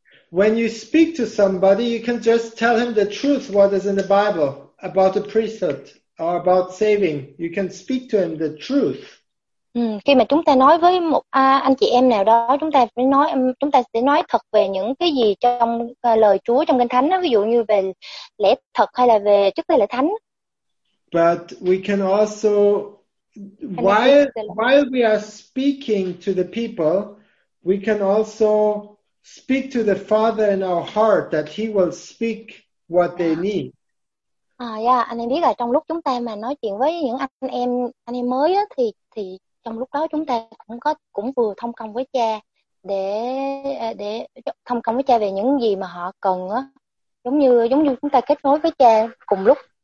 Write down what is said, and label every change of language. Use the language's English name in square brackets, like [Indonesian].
[English] When you speak to somebody, you can just tell him the truth, what is in the Bible about the priesthood or about saving. You can speak to him the truth. [Vietnamese] Khi mà chúng ta nói với một anh chị em nào đó, chúng ta sẽ nói thật về những cái gì trong lời Chúa, trong Kinh Thánh, ví dụ như về lẽ thật hay là về chức lễ thánh. [English] But we can also, while we are speaking to the people, we can also speak to the Father in our heart that he will speak what they need. [Vietnamese] Anh em biết là trong lúc chúng ta mà nói chuyện với những anh em mới á, thì trong lúc đó chúng ta cũng vừa thông công với Cha để thông công với Cha về những gì mà họ cần á, giống như chúng ta kết nối với Cha cùng lúc.